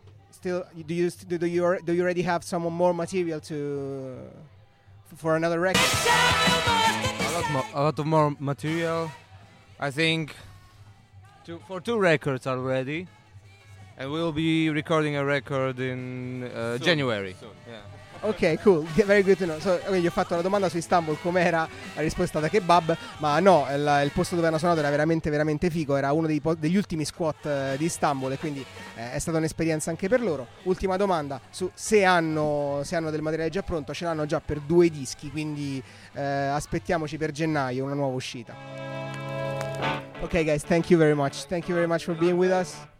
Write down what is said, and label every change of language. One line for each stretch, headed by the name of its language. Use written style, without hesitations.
English: Still, do you already have some more material to for another record? A lot of more material. I think for two records already. And we'll be recording a record in January. Soon. Yeah. Ok, cool, very good to know.
Italian: So, okay, gli ho fatto la domanda su Istanbul, com'era la risposta da kebab, ma no, il posto dove hanno suonato era veramente veramente figo, era uno degli ultimi squat di Istanbul, e quindi è stata un'esperienza anche per loro. Ultima domanda su se hanno del materiale già pronto. Ce l'hanno già per due dischi, quindi aspettiamoci per gennaio una nuova uscita.
English: Ok guys, thank you very much for being with us.